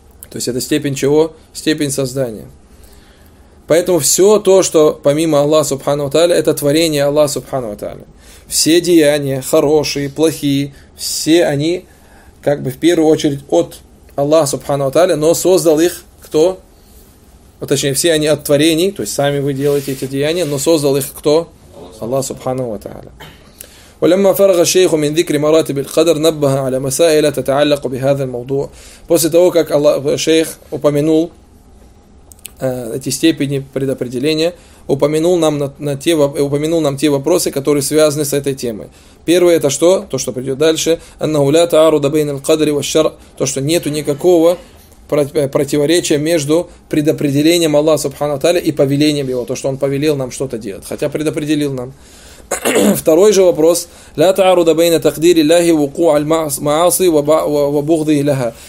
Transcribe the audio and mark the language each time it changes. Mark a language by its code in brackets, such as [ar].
[ru] То есть это степень чего? Степень создания. Поэтому все то, что помимо Аллаха Субхану ва Тааля, это творение Аллаха Субхану ва Тааля. Все деяния, хорошие, плохие, все они, как бы в первую очередь, от Аллах Субхану ва Тааля, но создал их кто? Точнее, все они от творений, то есть сами вы делаете эти деяния, но создал их кто? Аллах Субхану ва Тааля. [ar] ولما فرغ الشيخ من ذكر مراتب القدر نبه على مسائل تتعلق بهذا الموضوع. [ru] После того, как шейх упомянул эти степени предопределения, упомянул нам те вопросы, которые связаны с этой темой. Первое это что? То, что придет дальше. [ar] أنه لا تعارض بين القدر والشرع. [ru] То, что нету никакого противоречия между предопределением Аллаха Субхану ва Тааля и повелением его, то, что он повелел нам что-то делать, хотя предопределил нам. Второй же вопрос: [ar] ля тааруда байна такдири ляхи вукуа ль-маасы ва бугды ляха.